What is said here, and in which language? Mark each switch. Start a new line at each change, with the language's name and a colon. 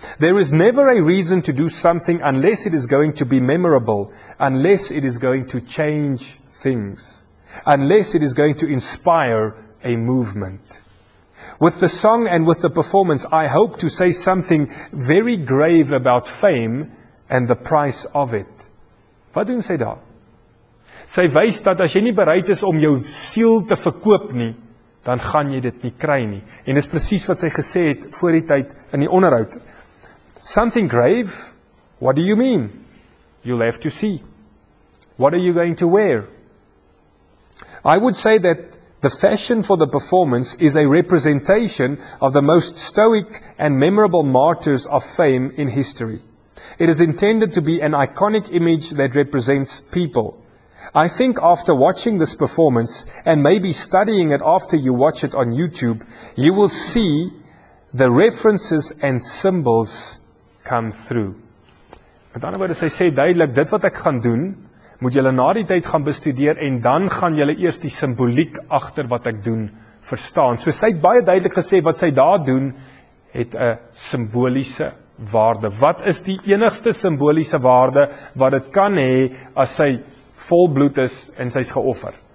English: There is never a reason to do something unless it is going to be memorable, unless it is going to change things, unless it is going to inspire a movement. With the song and with the performance, I hope to say something very grave about fame and the price of it."
Afrikaans: Wat doen sy daar? Sy wys dat as jy nie bereid is om jou siel te verkoop nie, dan gaan jy dit nie kry nie. En dis presies wat sy gesê het voor die tyd in die onderhoud.
English: "Something grave? What do you mean? You'll have to see. What are you going to wear?" "I would say that the fashion for the performance is a representation of the most stoic and memorable martyrs of fame in history. It is intended to be an iconic image that represents people. I think after watching this performance, and maybe studying it after you watch it on YouTube, you will see the references and symbols come through."
Afrikaans: Met ander woorde, sy sê duidelik, dit wat ek gaan doen, moet julle na die tyd gaan bestudeer en dan gaan julle eers die simboliek agter wat ek doen verstaan. So sy het baie duidelik gesê wat sy daar doen het 'n simboliese waarde. Wat is die enigste simboliese waarde wat dit kan hê as sy vol bloed is en sy's geoffer?